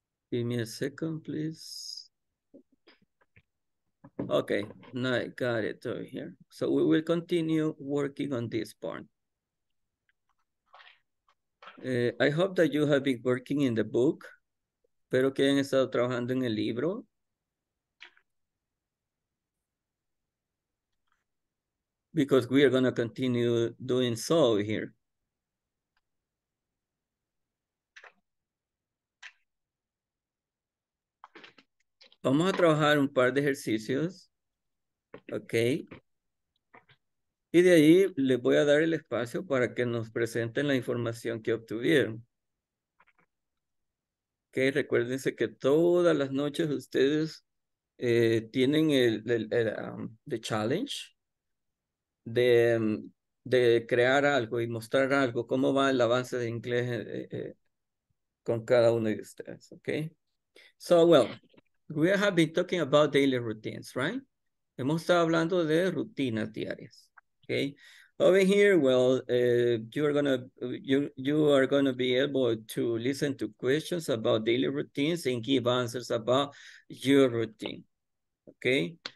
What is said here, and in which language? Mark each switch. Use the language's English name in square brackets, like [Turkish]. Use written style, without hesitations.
[English] Give me a second, please. Okay, now I got it over here. So we will continue working on this part. I hope that you have been working in the book. [Spanish] Espero que hayan estado trabajando en el libro. [English] Because we are going to continue doing so here. [Spanish] Vamos a trabajar un par de ejercicios, ok, y de ahí les voy a dar el espacio para que nos presenten la información que obtuvieron. Ok, recuérdense que todas las noches ustedes tienen el challenge de crear algo y mostrar algo, cómo va el avance de inglés con cada uno de ustedes, ok. [English] So, well, we have been talking about daily routines, right? [Spanish] Hemos estado hablando de rutinas diarias. Okay. [English] Over here, well, you are gonna be able to listen to questions about daily routines and give answers about your routine. Okay.